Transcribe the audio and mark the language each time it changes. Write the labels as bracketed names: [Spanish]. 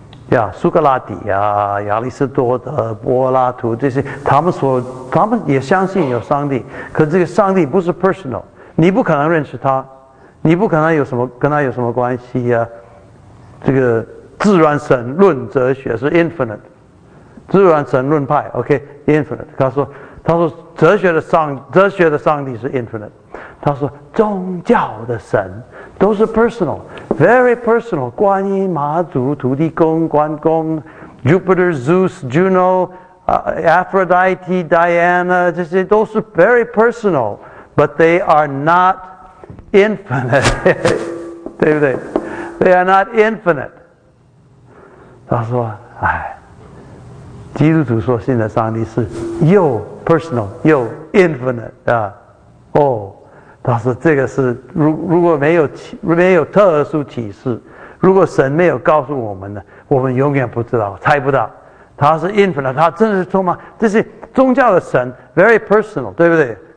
[Chinese] 呀、yeah, 苏格拉底啊亚里士多德柏拉图这些他们也相信有上帝可这个上帝不是 personal 你不可能认识他你不可能有什么跟他有什么关系啊这个自然神论哲学是 infinite自然神论派 ，OK， infinite。他说哲学的上帝是 infinite。他说宗教的神都是 personal， [English] very personal。观音、妈祖、土地公、关公、Jupiter、Zeus、Juno、Aphrodite、Diana [Chinese] 这些都是 [English] very personal， but they are not infinite， [Chinese] 对不对 [English] ？They are not infinite。 [Chinese] 他说，哎。基督徒所信的上帝是又 personal 又 infinite 啊，哦，他说这个是如果没有特殊启示，如果神没有告诉我们呢，我们永远不知道，猜不到，他是 infinite， 他真的是充满，这是宗教的神 ， [English] very personal， [Chinese] 对不对？